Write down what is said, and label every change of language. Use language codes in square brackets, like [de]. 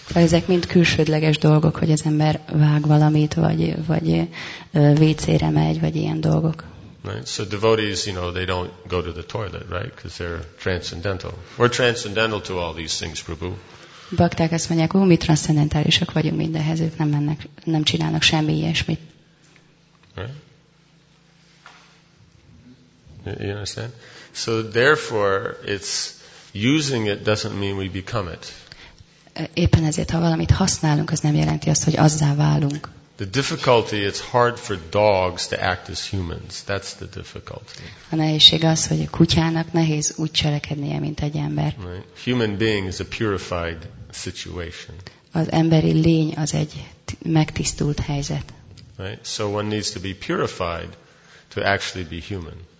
[hu] Ezek mind külsődleges dolgok, hogy az ember vág valamit, vagy WC-re megy, vagy ilyen dolgok. [en] Right? So devotees, you know, they don't go to the toilet, right? Because they're transcendental. We're transcendental to all these things, Prabhu. [hu] Bakták azt mondják, mi transzcendentálisak vagyunk mindehhez, ők nem mennek, nem csinálnak semmi ilyesmit. [en] Right? You understand? So therefore, it's using it doesn't mean we become it. [hu] Éppen ezért, ha valamit használunk, az nem jelenti azt, hogy azzá válunk. [en] The difficulty, it's hard for dogs to act as humans. That's the difficulty. [hu] A nehézség az, hogy a kutyának nehéz úgy cselekednie, mint egy ember. [en] Right. Human being is a purified situation. [hu] Az emberi lény az egy megtisztult helyzet. [en] Right. So one needs to be purified to actually be human.